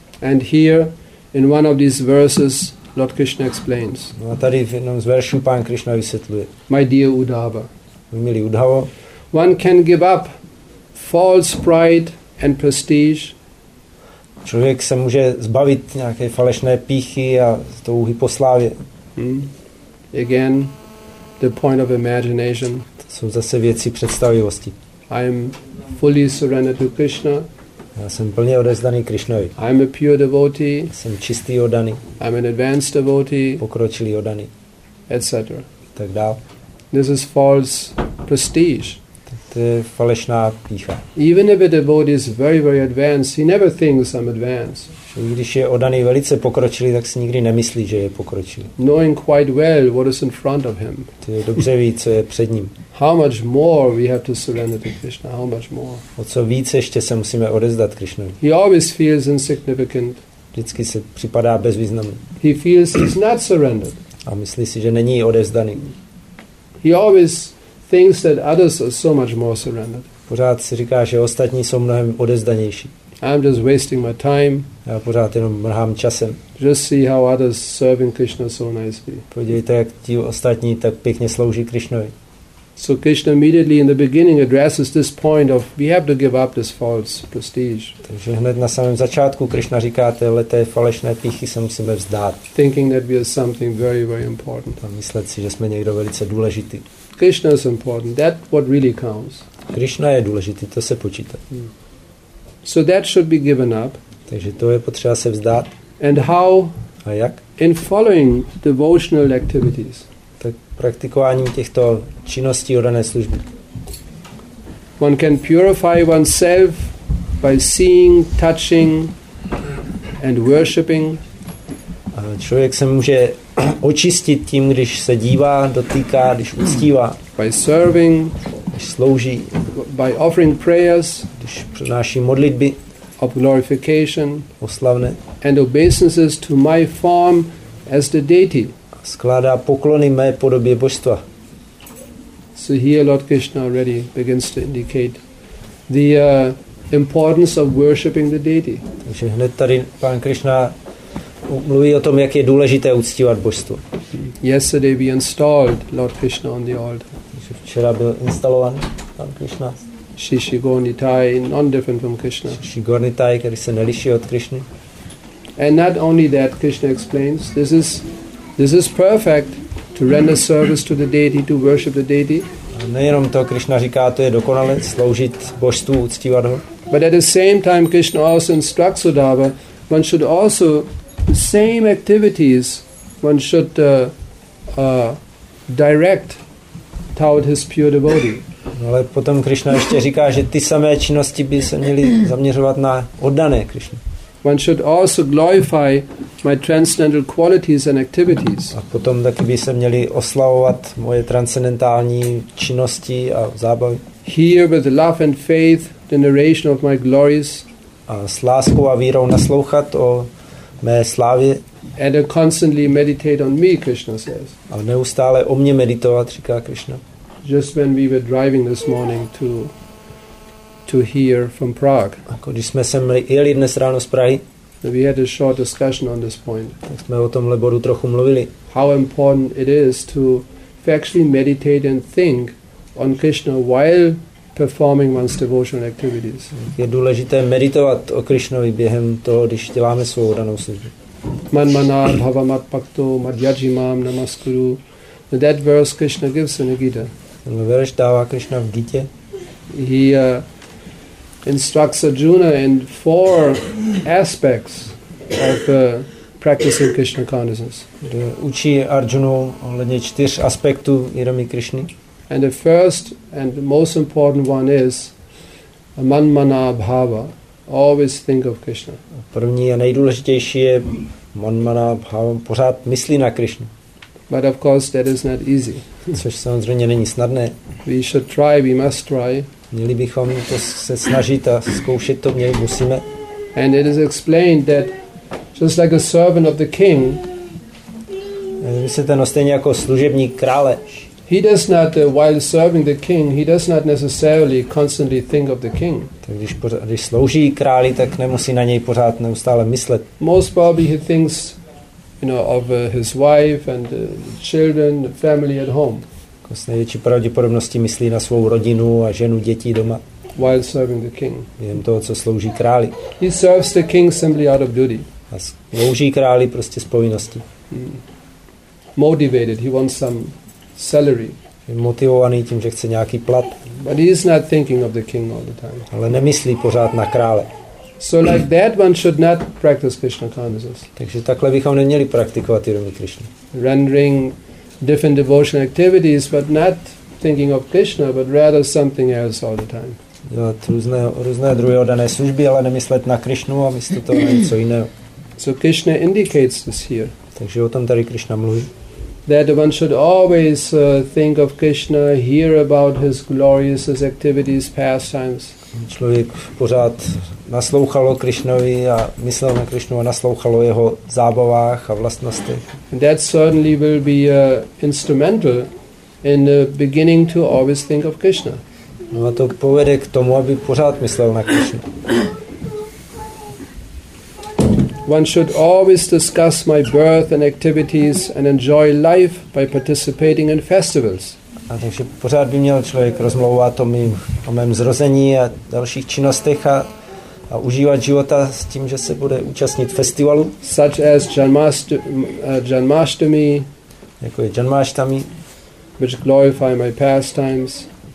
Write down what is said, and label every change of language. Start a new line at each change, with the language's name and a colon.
English: And here in one of these verses Lord Krishna explains.
Czech: No a tady v jednom z veršů pán Krišna vysvětluje.
English: My dear Uddhava,
Czech: milý Uddhavo,
English: one can give up false pride and prestige.
Czech: Člověk se může zbavit nějaké falešné pýchy a touhy po slávě.
English: Again, the point of imagination.
Czech: To jsou zase věci představivosti.
English: I am fully surrendered to Krishna.
Czech: Já jsem plně odevzdaný Krišnovi.
English: I am a pure devotee.
Czech: Jsem čistý oddaný.
English: I am an advanced devotee.
Czech: Pokročilý oddaný.
English: Etc.
Czech: Tak dál.
English: This is false prestige.
Czech: To je falešná pýcha.
English: Even if a devotee is very, very advanced, he never thinks I'm advanced.
Czech: Když je oddaný velice pokročilý, tak si nikdy nemyslí, že je pokročilý.
English: Knowing quite well what is in front of him.
Czech: To je dobře ví, co je před ním.
English: How much more we have to surrender to Krishna? How much more?
Czech: O co víc ještě se musíme odevzdat Krishnovi?
English: He always feels insignificant.
Czech: Vždycky se připadá bezvýznamný.
English: He feels he's not surrendered.
Czech: A myslí si, že není odevzdaný.
English: He always thinks that others are so much more surrendered.
Czech: Pořád si říká, že ostatní jsou mnohem odevzdanější.
English: I'm just wasting my time.
Czech: Já pořád jenom mrhám časem.
English: Just see how others serving Krishna so nicely.
Czech: Podívejte, jak ti ostatní tak pěkně slouží Krishnovi.
English: So Krishna immediately in the beginning addresses this point of we have to give up this false prestige.
Czech: Takže hned na samém začátku Krishna říká, tyhle té falešné pýchy se musíme vzdát.
English: Thinking that we are something very, very important.
Czech: A myslet si, že jsme někdo velice důležitý.
English: Krishna is important. That's what really counts.
Czech: Krishna je důležitý, to se počítá.
English: So that should be given up.
Czech: Takže to je potřeba se vzdát.
English: And how?
Czech: A jak?
English: In following devotional activities.
Czech: Tak praktikováním těchto činností oddané služby.
English: One can purify oneself by seeing, touching and worshipping.
Czech: A člověk se může očistit tím, když se dívá, dotýká, když uctívá.
English: By serving.
Czech: Když slouží.
English: By offering prayers.
Czech: Když přináší modlitby.
English: Of glorification.
Czech: Oslavné.
English: And obeisances to my form as the deity.
Czech: Skládá poklony mé podobě božstva.
English: So here Lord Krishna already begins to indicate the importance of worshipping the deity.
Czech: Takže hned tady pán Krishna mluví o tom, jak je důležité uctívat božstvo.
English: Yesterday we installed Lord Krishna on the altar.
Czech: Takže včera byl instalován pán Krishna.
English: Shishigornitai, non-different from Krishna.
Czech: Shishigornitai, který se neliší od Krishny.
English: And not only that, Krishna explains, this is perfect to render service to the deity, to worship the deity.
Czech: Nejenom to, Krishna říká, to je dokonalé sloužit božstvu, uctívat ho.
English: But at the same time, Krishna also instructs Uddhava, one should also, the same activities, one should direct toward his pure devotee.
Czech: Ale potom Krishna ještě říká, že ty samé činnosti by se měly zaměřovat na oddané Krishna.
English: One should also glorify my transcendental qualities and activities.
Czech: A potom taky by se měly oslavovat moje transcendentální činnosti a zábavy.
English: Here with love and faith the narration of my glories.
Czech: A s láskou a vírou naslouchat o mé slávě.
English: And to constantly meditate on me, Krishna says.
Czech: A neustále o mě meditovat, říká Krishna.
English: Just when we were driving this morning to hear from Prague.
Czech: Ako když jsme sem jeli dnes ráno z Prahy.
English: We had a short discussion on this point.
Czech: Tak jsme o tomhle bodu trochu mluvili.
English: How important it is to actually meditate and think on Krishna while performing one's devotional activities.
Czech: Je důležité meditovat o Krishnovi během toho, když děláme svou danou službu.
Sanskrit: Manmana bhavamat pakto madhyajimam namaskuru.
English: That verse Krishna gives in the Gita.
Czech: Ten verš dává Krishna v Gita.
English: He instructs Arjuna in four aspects of practicing Krishna consciousness.
Czech: Učí Arjunu ohledně čtyř aspektů vědomí Krishny.
English: And the first and the most important one is manmana bhava. Always think of Krishna.
Czech: První a nejdůležitější je manmana bhava. Pořád myslí na Krishna.
English: But of course that is not easy.
Czech: Což samozřejmě není snadné.
English: We should try, we must try.
Czech: Měli bychom to se snažit a zkoušet to měli, musíme.
English: And it is explained that just like a servant of the king,
Czech: myslíte, no stejně jako služebník krále,
English: he does not, while serving the king, he does not necessarily constantly think of the king.
Czech: Tak když slouží králi, tak nemusí na něj pořád neustále myslet.
English: Most probably he thinks, you know, of his wife and children, the family at home.
Czech: S největší pravděpodobností myslí na svou rodinu a ženu, děti doma.
English: While serving the king.
Czech: Jen toho, co slouží králi.
English: He serves the king simply out of duty.
Czech: A slouží králi prostě z povinnosti.
English: Motivated, he wants some salary.
Czech: Je motivovaný tím, že chce nějaký plat.
English: But he is not thinking of the king all the time.
Czech: Ale nemyslí pořád na krále.
English: So like that one should not practice Krishna consciousness.
Czech: Takže takhle bychom neměli praktikovat vědomí Krishna.
English: Rendering different devotional activities, but not thinking of Krishna, but rather something else all the time.
Czech: Dělat různé druhy oddané služby, ale nemyslet na Krishnu a místo toho na něco jiného.
English: So Krishna indicates this here.
Czech: Takže o tom tady Krishna mluví.
English: That one should always think of Krishna, hear about his glories, his activities, pastimes.
Czech: Člověk pořád naslouchal o Krishnovi a myslel na Krishnu a naslouchal o jeho zábavách a vlastnostech.
English: That certainly will be instrumental in the beginning to always think of Krishna.
Czech: No a to povede k tomu, aby pořád myslel na Krishnu.
English: One should always discuss my birth and activities and enjoy life by participating in festivals.
Czech: A takže pořád by měl člověk rozmlouvat o mém zrození a dalších činnostech a užívat života s tím, že se bude účastnit festivalu.
English: Such as Janmashtami,
Czech: jako je Janmashtami,
English: which glorify my pastimes,